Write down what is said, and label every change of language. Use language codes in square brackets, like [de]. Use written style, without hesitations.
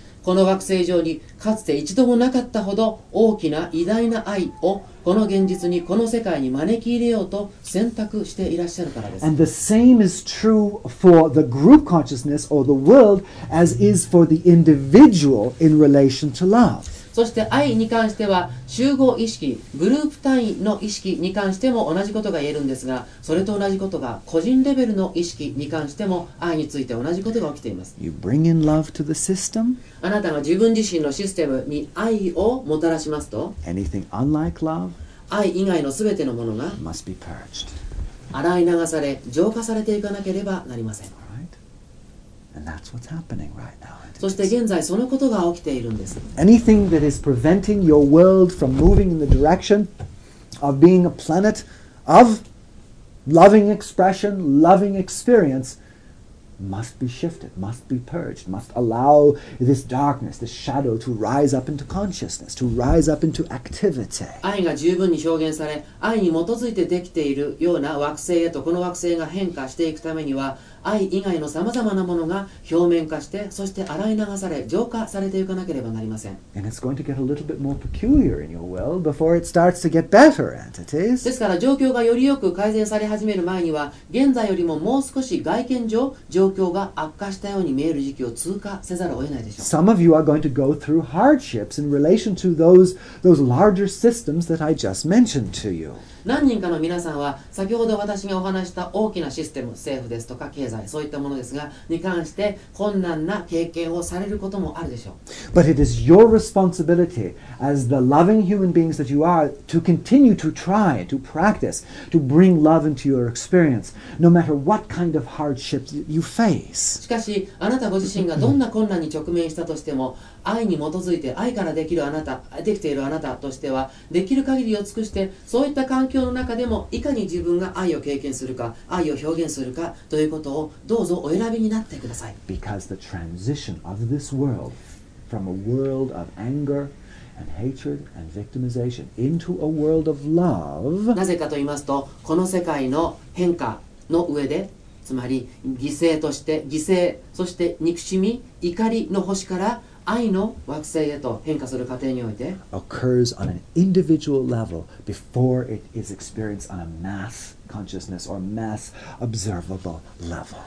[ja] この惑星上にかつて一度もなかったほど大きな偉大な愛をこの現実にこの世界に招き入れようと選択していらっしゃるからです。 [en] And the same is true for the group consciousness or the world as is for the individual in relation to love. [ja] そして愛に関しては集合意識、グループ単位の意識に関しても同じことが言えるんですが、それと同じことが個人レベルの意識に関しても愛について同じことが起きています。 [en] You bring in love to the system. [ja] あなたが自分自身のシステムに愛をもたらしますと、 [en] Anything unlike love [ja] 愛以外のすべてのものが [en] must be purged. [ja] 洗い流され、浄化されていかなければなりません。 [en] All right. And that's what's happening right now. [ja] そして現在そのことが起きているんです。 [en] Anything that is preventing your world from moving in the direction of being a planet of loving expression, loving experience, must be shifted, must be purged, must allow this darkness, this shadow to rise up into consciousness, to rise up into activity. [ja] 愛が十分に表現され、愛に基づいてできているような惑星へとこの惑星が変化していくためには、愛以外のさまざまなものが表面化して、そして洗い流され、浄化されていかなければなりません。 [en] And it's going to get a little bit more peculiar in your world before it starts to get better, aren't it? [ja] ですから、状況がよりよく改善され始める前には、現在よりももう少し外見上、状況が状況が悪化したように見える時期を通過せざるを得ないでしょう。 [en] Some of you are going to go through hardships in relation to those larger systems that I just mentioned to you. [ja] 何人かの皆さんは先ほど私がお話した大きなシステム、政府ですとか経済、そういったものですがに関して困難な経験をされることもあるでしょう。 [en] But it is your responsibility as the loving human beings that you are to continue to try to practice to bring love into your experience no matter what kind of hardships you face. [ja] しかしあなたご自身がどんな困難に直面したとしても愛に基づいて愛からできるあなた、できているあなたとしてはできる限りを尽くしてそういった環境の中でもいかに自分が愛を経験するか愛を表現するかということをどうぞお選びになってください。 [en] Because the transition of this world from a world of angerAnd hatred and victimization into a world of love. [ja] なぜかと言いますと、この世界の変化の上で、つまり犠牲、そして憎しみ、怒りの星から愛の惑星へと変化する過程において、 [en] occurs on an individual level before it is experienced on a mass consciousness or mass observable level.